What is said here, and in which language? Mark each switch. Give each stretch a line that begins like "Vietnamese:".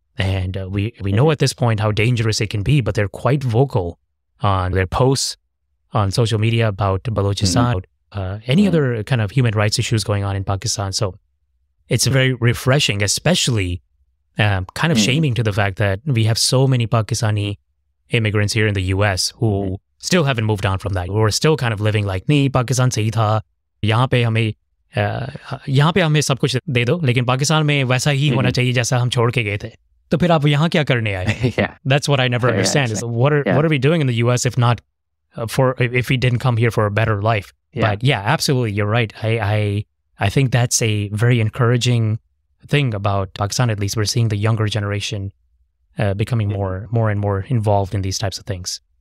English: And we know at this point how dangerous it can be, but they're quite vocal on their posts on social media about Balochistan, any other kind of human rights issues going on in Pakistan. So it's very refreshing, especially kind of shaming to the fact that we have so many Pakistani immigrants here in the US who still haven't moved on from that. We're still kind of living like,
Hindi: nee, Pakistan sahi tha. यहाँ पे हमें सब कुछ दे दो लेकिन पाकिस्तान में वैसा ही होना चाहिए जैसा हम छोड़ के गए थे तो फिर आप यहाँ क्या करने आए
English: That's what I never understand. Exactly. What are we doing in the US if not for if we didn't come here for a better life? But yeah, absolutely, you're right. I think that's a very encouraging thing about Pakistan. At least we're seeing the younger generation becoming more and more involved in these types of things.